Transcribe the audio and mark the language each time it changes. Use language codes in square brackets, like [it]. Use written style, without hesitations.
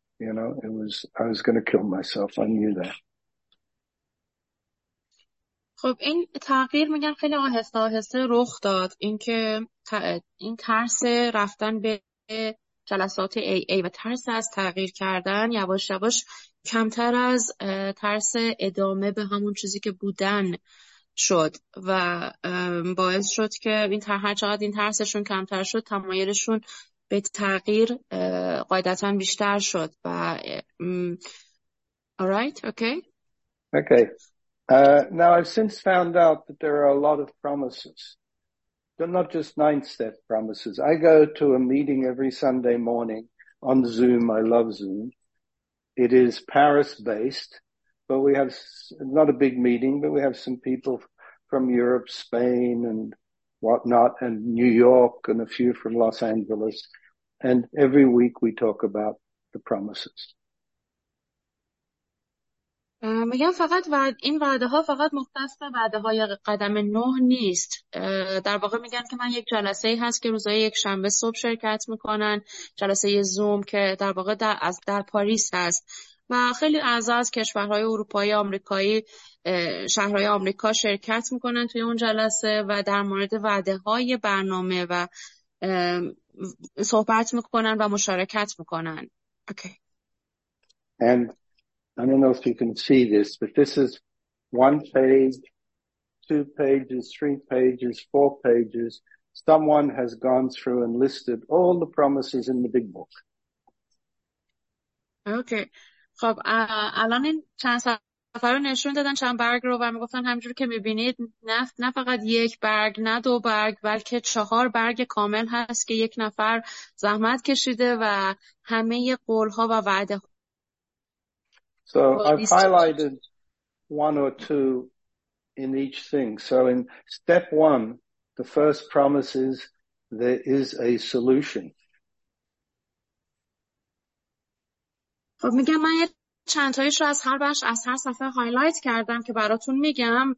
[en] You know, I was going to kill myself. I knew that. [fa] خب این تغییر میگن خیلی آهسته آهسته رخ داد اینکه این ترس رفتن به جلسات AA و ترس از تغییر کردن یواش یواش کمتر از ترس ادامه به همون چیزی که بودن شد و باعث شد که این هر چقدر این ترسشون کمتر شد تمایلشون به تغییر قاعدتا بیشتر شد و alright okay okay. [en] Now I've since found out that there are a lot of promises. They're not just ninth step promises. I go to a meeting every Sunday morning on Zoom. I love Zoom. It is Paris based But we have not a big meeting, but we have some people from Europe, Spain, and whatnot, and New York, and a few from Los Angeles. And every week we talk about the promises. [fa] میگن فقط این وعده ها فقط مختص به وعده های قدم نه نیست. در واقع میگن که من یک جلسه هست که روزای یک شنبه صبح شرکت میکنن. جلسه زوم که در واقع در پاریس هست. و خیلی اعضا از کشورهای اروپایی آمریکایی شهرهای آمریکا شرکت میکنن توی اون جلسه و در مورد وعده های برنامه و صحبت میکنن و مشارکت میکنن. Okay. [en] And I don't know if you can see this, but this is one page, two pages, three pages, four pages. Someone has gone through and listed all the promises in the big book. Okay. [fa] خب الان این چند صفحه رو نشون دادن چند برگ رو و میگفتن همجور که میبینید نه فقط یک برگ نه دو برگ بلکه چهار برگ کامل هست که یک نفر زحمت کشیده و همه قولها و وعده ها. [en] So I've highlighted one or two in each thing. So in step one, the first promise is there is a solution. [fa] خب میگم من چند تایش رو از هر بخش از هر صفحه هایلایت کردم که براتون میگم.